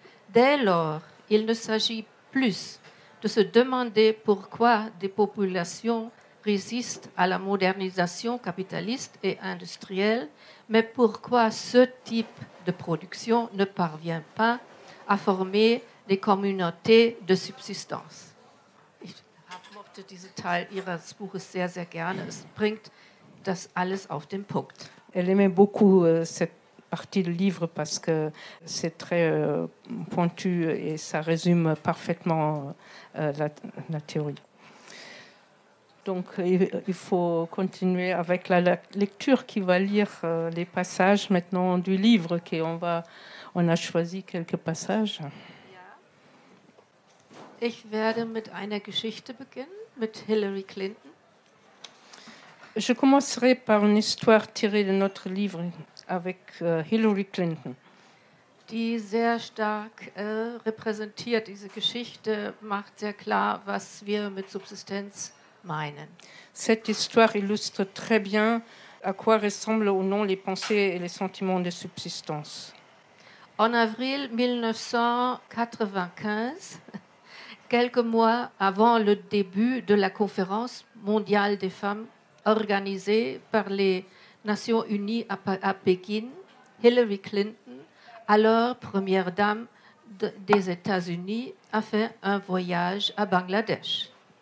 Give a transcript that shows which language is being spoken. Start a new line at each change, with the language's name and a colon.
French: Dès lors, il ne s'agit plus de se demander pourquoi des populations résistent à la modernisation capitaliste et industrielle, mais pourquoi ce type de production ne parvient pas à former des communautés de subsistance.
German: Ich mochte diesen Teil ihres Buches sehr, sehr gerne. Es bringt das alles auf den Punkt.
French: Elle aimait beaucoup cette partie du livre parce que c'est très pointu et ça résume parfaitement la théorie. Donc, il faut continuer avec la lecture qui va lire les passages maintenant du livre. On a choisi quelques passages.
German: Ich werde mit einer Geschichte beginnen, mit Hillary Clinton.
French: Je commencerai par une histoire tirée de notre livre avec Hillary Clinton.
German: Die sehr stark repräsentiert, diese Geschichte macht sehr klar, was wir mit Subsistenz meinen.
French: Cette histoire illustre très bien à quoi ressemblent ou non les pensées et les sentiments de subsistance. En avril 1995, quelques mois avant le début de la conférence mondiale des femmes organisée par les Nations Unies à Pékin, Hillary Clinton, alors première dame des États-Unis, a fait un voyage à Bangladesh.